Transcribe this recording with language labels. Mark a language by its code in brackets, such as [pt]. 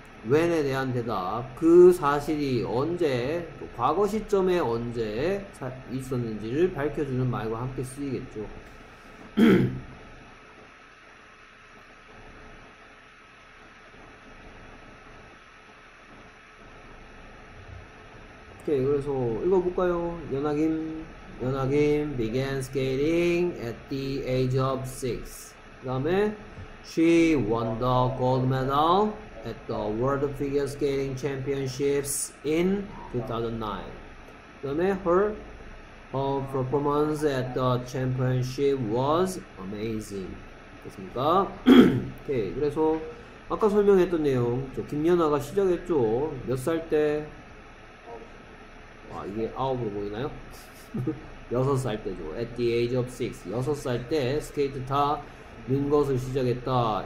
[ko] when에 대한 대답. 그 사실이 언제, 또 과거 시점에 언제 있었는지를 밝혀주는 말과 함께 쓰이겠죠. 오케이, 그래서 읽어볼까요? [en] 연하김 began skating at the age of six. [ko] 그 다음에 [en] she won the gold medal at the World Figure Skating Championships in 2009. [ko] 그 다음에 [en] her performance at the championship was amazing. [ko] 됐습니까? 오케이, 그래서 아까 설명했던 내용, 저 김연아가 시작했죠. 몇살 때? 아, 이게 아홉으로 보이나요? 여섯 살 때죠. [en] At the age of six. [ko] 여섯 살때 스케이트 타는 것을 시작했다.